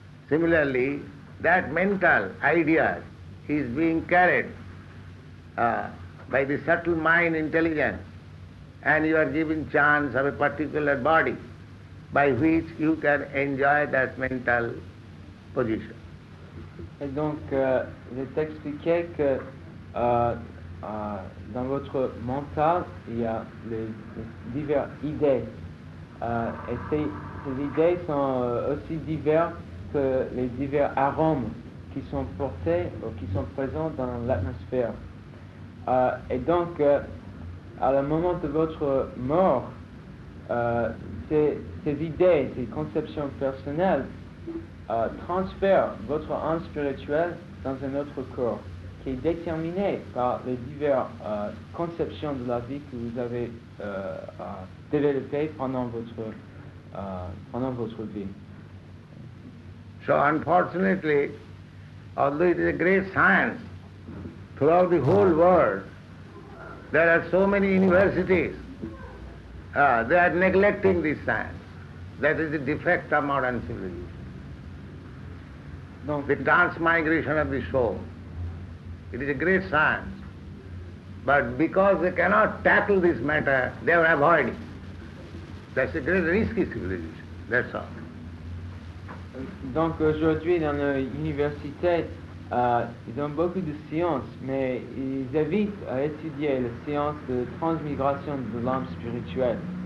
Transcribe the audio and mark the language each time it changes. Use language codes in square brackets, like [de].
[en] Similarly, that mental idea is being carried by the subtle mind intelligence, and you are given chance of a particular body by which you can enjoy that mental position. [fr] Et donc, je t'expliquais que dans votre mental, il y a les diverses idées. Et ces idées sont aussi diverses que les divers arômes qui sont portés ou qui sont présents dans l'atmosphère. Et donc, à le moment de votre mort, ces idées, ces conceptions personnelles transfèrent votre âme spirituelle dans un autre corps qui est déterminé par les diverses conceptions de la vie que vous avez développées pendant votre vie. [en] So unfortunately, although it is a great science, throughout the whole world, there are so many universities, they are neglecting this science. That is the defect of modern civilization. [fr] Donc, [en] the transmigration of the soul, it is a great science. But because they cannot tackle this matter, they are avoiding. That's a great risky civilization, that's all. [fr] Donc aujourd'hui dans les universités, ils ont beaucoup de sciences, mais ils évitent à étudier la science de transmigration de l'âme spirituelle.